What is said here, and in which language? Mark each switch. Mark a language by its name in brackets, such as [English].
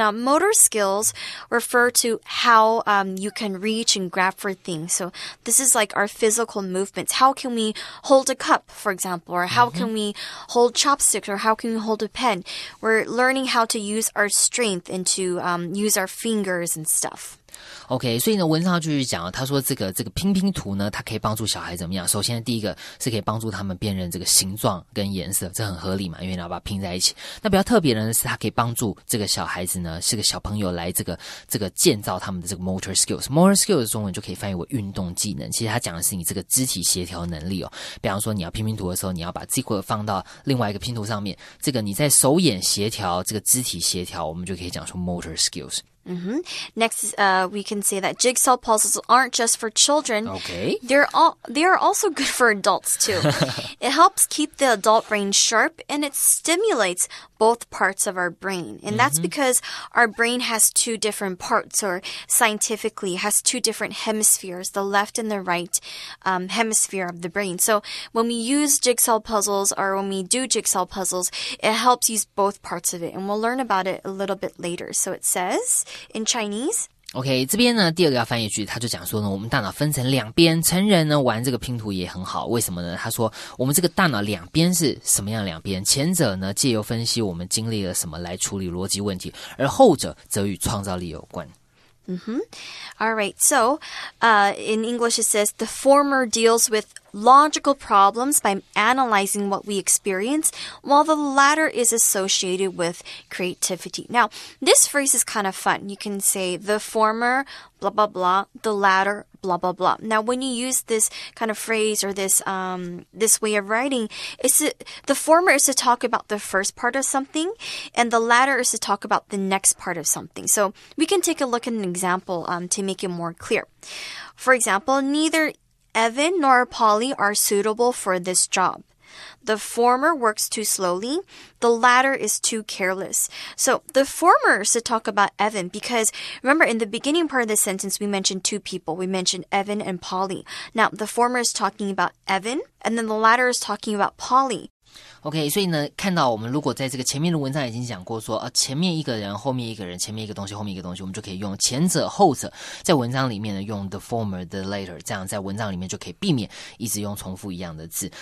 [English] Now, motor skills refer to how you can reach and grab for things. So this is like our physical movements. How can we hold a cup, for example, or how can we hold chopsticks, or how can we hold a pen? We're learning how to use our strength and to use our fingers and stuff. [Chinese] OK, 所以呢文章继续讲，他说这个拼拼图呢，它可以帮助小孩怎么样？首先第一个是可以帮助他们辨认这个形状跟颜色，这很合理嘛，因为你要把它拼在一起。那比较特别的是，它可以帮助这个小孩子呢，是个小朋友来这个建造他们的这个 motor skills。 motor skills 中文就可以翻译为运动技能，其实它讲的是你这个肢体协调能力哦。比方说你要拼拼图的时候，你要把这块放到另外一个拼图上面，这个你在手眼协调，这个肢体协调，我们就可以讲出 motor skills。 [English] Mm-hmm. Next, we can say that jigsaw puzzles aren't just for children. Okay. They are also good for adults, too. It helps keep the adult brain sharp, and it stimulates both parts of our brain. And that's because our brain has two different parts, or scientifically has two different hemispheres, the left and the right hemisphere of the brain. So when we use jigsaw puzzles, or when we do jigsaw puzzles, it helps use both parts of it. And we'll learn about it a little bit later. So it says... In Chinese. [Chinese] OK, 这边呢第二个要翻译句，他就讲说呢，我们大脑分成两边，成人呢玩这个拼图也很好，为什么呢？他说我们这个大脑两边是什么样，两边前者呢借由分析我们经历了什么来处理逻辑问题，而后者则与创造力有关。 [English] All right, so in English it says the former deals with logical problems by analyzing what we experience, while the latter is associated with creativity. Now, this phrase is kind of fun. You can say the former, blah, blah, blah, the latter, blah, blah, blah. Now, when you use this kind of phrase or this way of writing, the former is to talk about the first part of something, and the latter is to talk about the next part of something. So we can take a look at an example to make it more clear. For example, neither Evan nor Polly are suitable for this job. The former works too slowly. The latter is too careless. So the former is to talk about Evan, because remember in the beginning part of the sentence, we mentioned two people. We mentioned Evan and Polly. Now the former is talking about Evan, and then the latter is talking about Polly. [Chinese] OK, 所以呢看到我们如果在这个前面的文章已经讲过说前面一个人后面一个人前面一个东西后面一个东西我们就可以用前者后者在文章里面呢用 the former, the later, 这样在文章里面就可以避免一直用重复一样的字。